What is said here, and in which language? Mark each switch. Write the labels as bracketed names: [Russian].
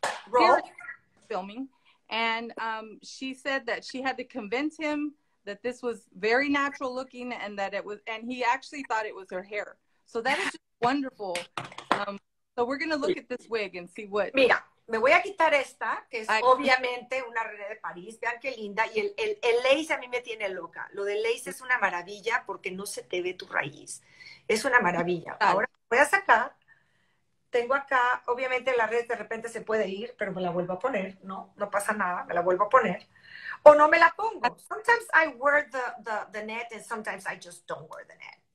[English] role. Filming, and she said that she had to convince him that this was very natural looking, and that it was, and he actually thought it was her hair. So that is just wonderful. So we're gonna look at this wig and see what. [Spanish] Mira, me voy a quitar esta, que es obviamente una René de París. Vean qué linda. Y el lace a mí me tiene loca. Lo de lace es una maravilla porque no se te ve tu raíz. Es una maravilla. Ahora voy a sacar. Tengo acá, obviamente la red de repente se puede ir, pero me la vuelvo a poner. No pasa nada, me la vuelvo a poner. O no me la pongo. [English] Sometimes I wear the net and sometimes I just don't wear the net.